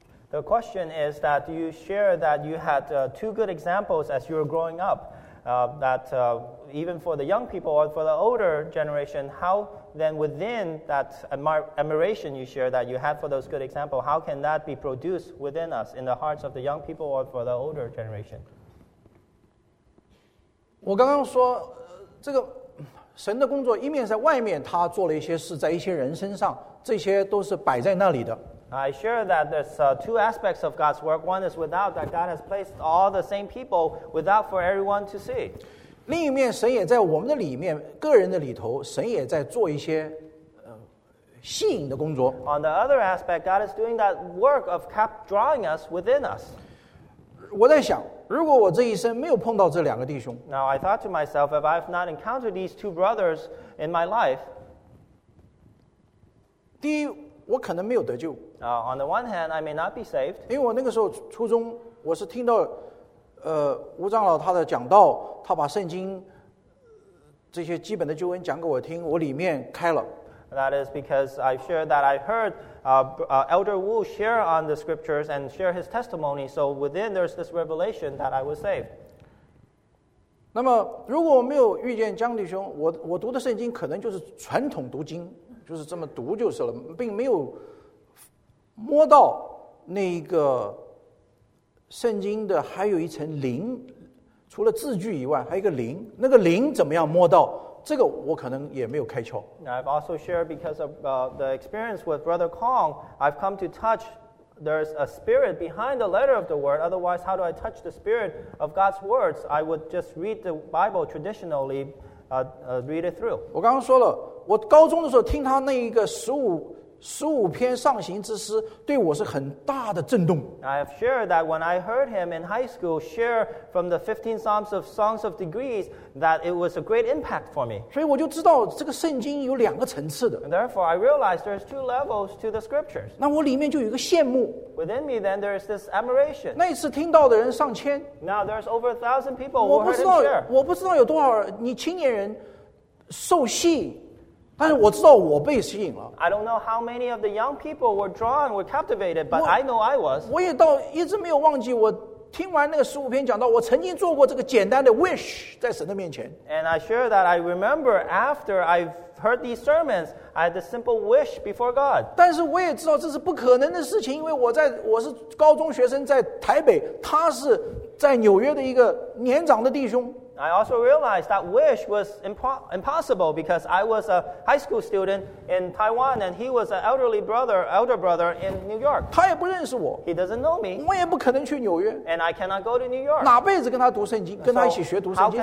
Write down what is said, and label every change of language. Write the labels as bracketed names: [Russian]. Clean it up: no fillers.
[English] The question is that you share that you had two good examples as you were growing up, that even for the young people or for the older generation, how then within that admiration you share that you have for those good examples, how can that be produced within us in the hearts of the young people or for the older generation? [Chinese] 我刚刚说, 这个神的工作一面在外面他做了一些事在一些人身上, 这些都是摆在那里的。 [English] I share that there's two aspects of God's work. One is without, that God has placed all the same people without for everyone to see. [Chinese] 另一面神也在我们的里面, 个人的里头, 神也在做一些, [English] On the other aspect, God is doing that work of kept drawing us within us. [Chinese] 我在想, 如果我这一生没有碰到这两个弟兄, [English] Now I thought to myself, if I have not encountered these two brothers in my life, [Chinese] 第一, 我可能没有得救。 [English] On the one hand, I may not be saved. [Chinese] 因为我那个时候初中, 我是听到, 吴长老他的讲道, 他把圣经, 这些基本的救恩讲给我听, 我里面开了。 [English] That is because I shared that I heard Elder Wu share on the scriptures and share his testimony, so within there's this revelation that I was saved. [Chinese] 那么如果我没有遇见江弟兄, 我读的圣经可能就是传统读经, 就是这么读就是了, 并没有 摸到那个圣经的还有一层灵, 除了字句以外, 还有一个灵, 那个灵怎么样摸到, 这个我可能也没有开窍。 [English] I've also shared because of the experience with Brother Kong, I've come to touch, there's a spirit behind the letter of the word, otherwise how do I touch the spirit of God's words? I would just read the Bible traditionally, read it through. [Chinese] 我刚刚说了, 我高中的时候听他那一个15, 15篇上行之诗对我是很大的震动。 [English] I have shared that when I heard him in high school share from the 15 Psalms of Songs of Degrees that it was a great impact for me. [Chinese] 所以我就知道这个圣经有两个层次的。 [English] Therefore, I realized there's two levels to the scriptures. [Chinese] 那我里面就有一个羡慕。 [English] Within me, then, there's this admiration. [Chinese] 那一次听到的人上千。 [English] Now, there's over 1,000 people who heard him share. [Chinese] 我不知道有多少你青年人受洗。但是我知道我被吸引了。 [English] I don't know how many of the young people were drawn, were captivated, but I know I was. [Chinese] 我也到一直没有忘记我听完那个15篇讲道, 我曾经做过这个简单的wish 在神的面前。 [English] And I share that I remember after I've heard these sermons, I had a simple wish before God. [Chinese] 但是我也知道这是不可能的事情, 因为我是高中学生在台北, 他是在纽约的一个年长的弟兄。 [English] I also realized that wish was impossible because I was a high school student in Taiwan and he was an elderly brother, elder brother in New York. [Chinese] 他也不认识我, [English] he doesn't know me. [Chinese] 我也不可能去纽约, [English] and I cannot go to New York. [Chinese] 哪辈子跟他读圣经, [English] so [Chinese] 跟他一起学读圣经,